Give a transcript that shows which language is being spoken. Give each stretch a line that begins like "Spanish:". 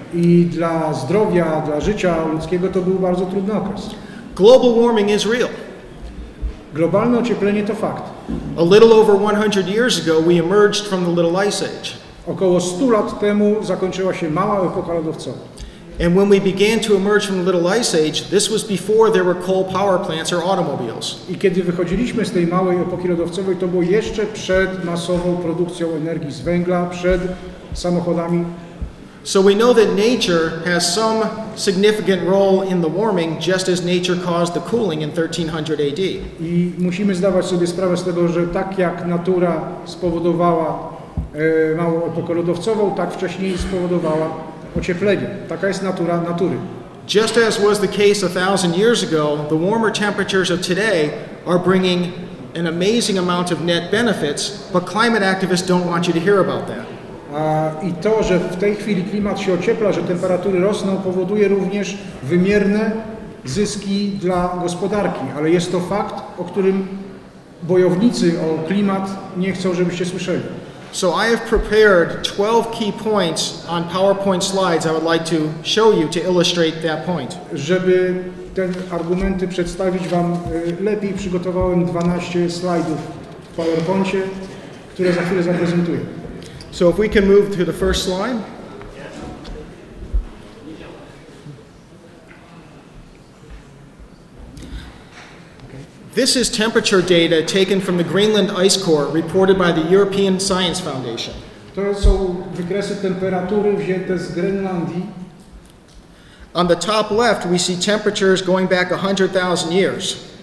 Polish: I dla zdrowia, dla życia ludzkiego to był bardzo trudny okres.
English: Global warming is real.
Polish: Globalne ocieplenie to fakt.
English: A little over 100 years ago we emerged from the Little Ice Age.
Polish: Około 100 lat temu zakończyła się mała epoka lodowcowa.
English: And when we began to emerge from the Little Ice Age, this was before there were coal power plants or automobiles.
Polish: I kiedy wychodziliśmy z tej małej epoki lodowcowej, to było jeszcze przed masową produkcją energii z węgla, przed samochodami.
English: So we know that nature has some significant role in the warming, just as nature caused the cooling in 1300 AD.
Polish: I musimy zdawać sobie sprawę z tego, że tak jak natura spowodowała małą epokę lodowcową, tak wcześniej spowodowała ocieplenie. Taka jest natura natury.
English: Just as was the case 1000 years ago, the warmer temperatures of today are bringing an amazing amount of net benefits, but climate activists don't want you to hear about that.
Polish: I to, że w tej chwili klimat się ociepla, że temperatury rosną, powoduje również wymierne zyski dla gospodarki. Ale jest to fakt, o którym bojownicy o klimat nie chcą, żebyście słyszeli.
English: So I have prepared 12 key points on PowerPoint slides I would like to show you to illustrate that point.
Polish: Żeby te argumenty przedstawić wam lepiej, przygotowałem 12 slajdów w PowerPoincie, które za chwilę zaprezentuję.
English: So if we can move to the first slide. This is temperature data taken from the Greenland ice core reported by the European Science Foundation.
Polish: To są wykresy temperatury wzięte z Grenlandii.
English: On the top left we see temperatures going back 100,000 years.